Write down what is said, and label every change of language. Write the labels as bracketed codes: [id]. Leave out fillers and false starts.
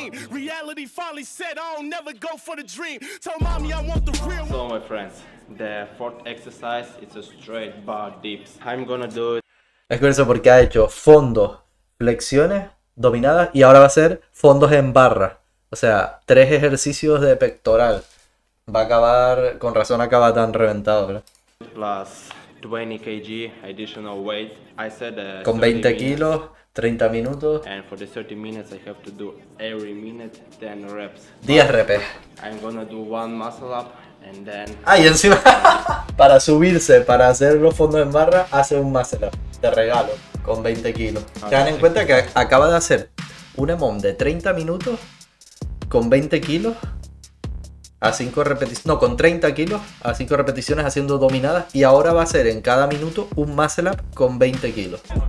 [en] Reality finally said I'll never go for the dream. Tell mommy I want the real. So my friends, the fourth exercise is a straight bar dips. I'm gonna do it. [es] Es curioso porque ha hecho fondos, flexiones, dominadas y ahora va a ser fondos en barra. O sea, tres ejercicios de pectoral. Va a acabar, con razón acaba tan reventado, ¿verdad? [en] Plus 20 kg additional weight. I said [es] con 20 kilos. 30 minutos. [en] And for the 30 minutes I have to do every minute 10 reps. 10 reps. I'm gonna do one muscle up and then. [es] Ay, encima. Para subirse, para hacer los fondos en barra, hace un muscle up. Te regalo. Con 20 kilos. Okay. Tengan en cuenta que acaba de hacer un EMOM de 30 minutos con 20 kilos. A 5 repeticiones. No, con 30 kilos. A 5 repeticiones haciendo dominadas. Y ahora va a hacer en cada minuto un muscle up con 20 kilos.